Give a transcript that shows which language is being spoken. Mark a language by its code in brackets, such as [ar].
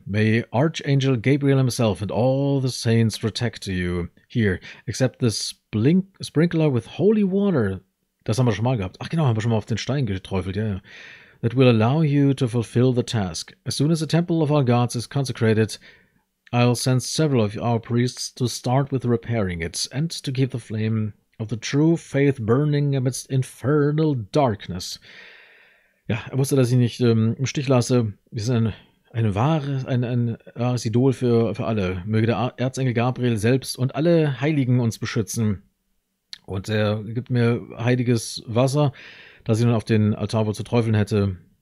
[en] May Archangel Gabriel himself and all the saints protect you. Here, accept this sprinkler with holy water. [de] Das haben wir schon mal gehabt. Ach genau, haben wir schon mal auf den Stein geträufelt, ja. [en] That will allow you to fulfill the task. As soon as the temple of our gods is consecrated, I'll send several of our priests to start with repairing it and to keep the flame of the true faith burning amidst infernal darkness. [de] Ja, er wusste, dass ich nicht im Stich lasse. Wir sind ein wahres Idol für alle. Möge der Erzengel Gabriel selbst und alle Heiligen uns beschützen. Und er gibt mir heiliges Wasser, das ich nun auf den Altar wohl zu träufeln hätte.